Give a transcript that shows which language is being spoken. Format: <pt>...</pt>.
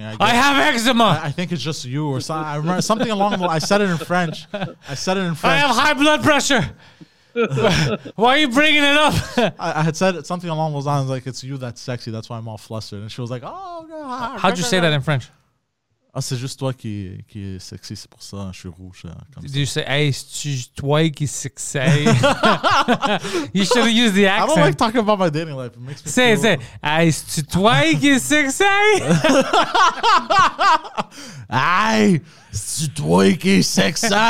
<en>I have eczema. I think it's just you or something. I remember something along the line. I said it in French. I have high blood pressure. Why are you bringing it up? I had said something along those lines, like, it's you that's sexy. That's why I'm all flustered. And she was like, oh, God. How'd you say that in French?</en> <fr>Ah, c'est juste toi qui est sexy. C'est pour ça, je suis rouge.</fr> <en>Did you say, hey,</en> <fr>c'est toi qui est sexy?</fr> <en>You should have used the accent. I don't like talking about my dating life. It makes me say, hey,</en> <fr>c'est toi qui est sexy? Hey, c'est toi qui est sexy?</fr>